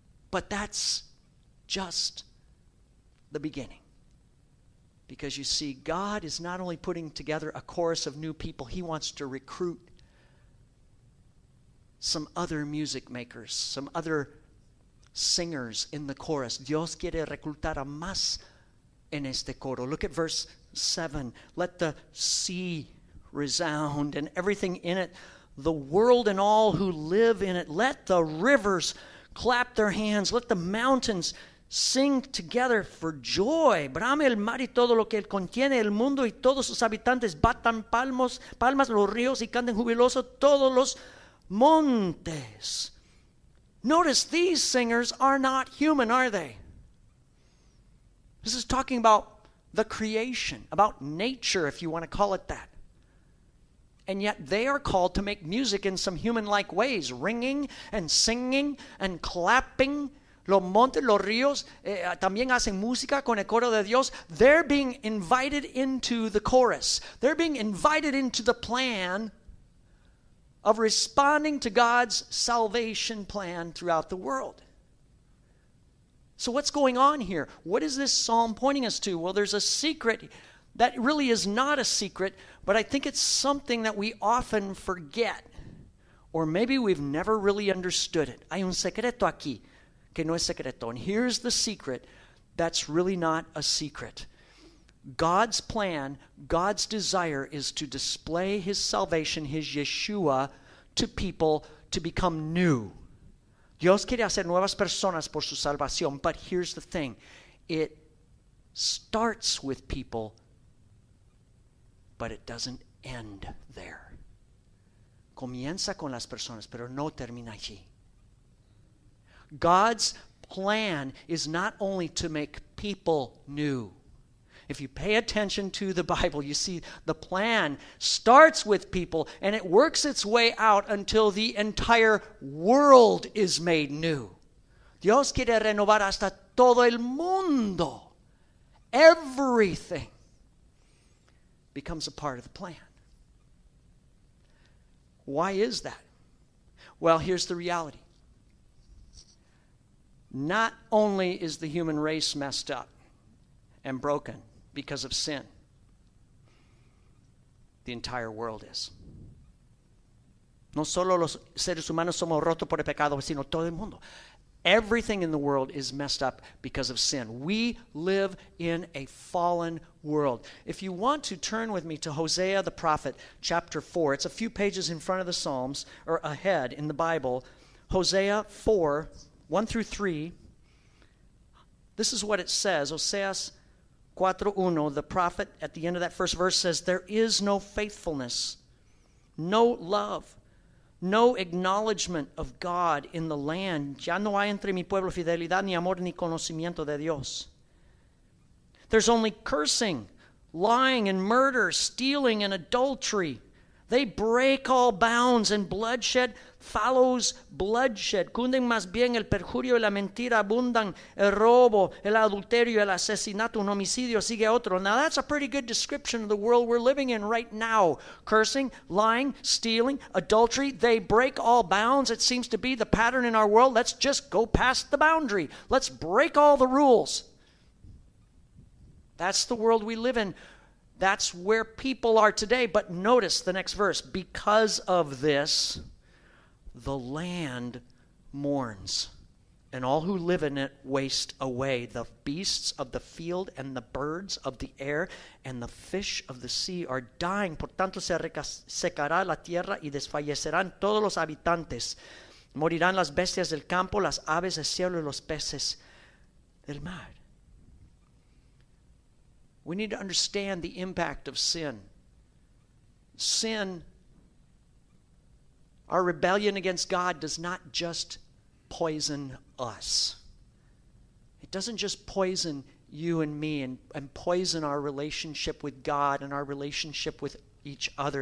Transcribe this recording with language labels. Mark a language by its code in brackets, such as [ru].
[en] But that's just the beginning. Because you see, God is not only putting together a chorus of new people, He wants to recruit some other music makers, some other singers in the chorus. [es] Dios quiere reclutar a más en este coro. [en] Look at verse 7. Let the sea resound and everything in it, the world and all who live in it. Let the rivers clap their hands, let the mountains sing together for joy. [es] Brame el mar y todo lo que él contiene, el mundo y todos sus habitantes, batan palmas los ríos y canten jubiloso todos los montes. [en] Notice these singers are not human, are they? This is talking about the creation, about nature, if you want to call it that. And yet they are called to make music in some human-like ways, ringing and singing and clapping. [es] Los montes, los ríos, también hacen música con el coro de Dios. [en] They're being invited into the chorus. They're being invited into the plan of responding to God's salvation plan throughout the world. So what's going on here? What is this psalm pointing us to? Well, there's a secret that really is not a secret, but I think it's something that we often forget, or maybe we've never really understood it. [es] Hay un secreto aquí que no es secreto. [en] And here's the secret that's really not a secret. God's plan, God's desire is to display His salvation, His Yeshua, to people to become new. [es] Dios quiere hacer nuevas personas por su salvación. [en] But here's the thing. It starts with people, but it doesn't end there. [es] Comienza con las personas, pero no termina allí. [en] God's plan is not only to make people new. If you pay attention to the Bible, you see the plan starts with people and it works its way out until the entire world is made new. [es] Dios quiere renovar hasta todo el mundo. [en] Everything becomes a part of the plan. Why is that? Well, here's the reality. Not only is the human race messed up and broken because of sin, the entire world is. [es] No solo los seres humanos somos rotos por el pecado, sino todo el mundo. [en] Everything in the world is messed up because of sin. We live in a fallen world. If you want to turn with me to Hosea the prophet, chapter 4, it's a few pages in front of the Psalms, or ahead in the Bible. Hosea 4, 1 through 3, this is what it says. Oseas 4:1, the prophet at the end of that first verse says, there is no faithfulness, no love, no acknowledgement of God in the land. [es] Ya no hay entre mi pueblo fidelidad, ni amor, ni conocimiento de Dios. [en] There's only cursing, lying and murder, stealing and adultery. They break all bounds and bloodshed follows bloodshed. [es] Cunden más bien el perjurio y la mentira abundan, el robo, el adulterio, el asesinato, un homicidio sigue otro. [en] Now that's a pretty good description of the world we're living in right now. Cursing, lying, stealing, adultery, they break all bounds. It seems to be the pattern in our world. Let's just go past the boundary. Let's break all the rules. That's the world we live in. That's where people are today. But notice the next verse. Because of this, the land mourns, and all who live in it waste away. The beasts of the field and the birds of the air and the fish of the sea are dying. [es] Por tanto, se secará la tierra y desfallecerán todos los habitantes. Morirán las bestias del campo, las aves del cielo y los peces del mar. [en] We need to understand the impact of sin. Sin, our rebellion against God, does not just poison us. It doesn't just poison you and me and poison our relationship with God and our relationship with each other.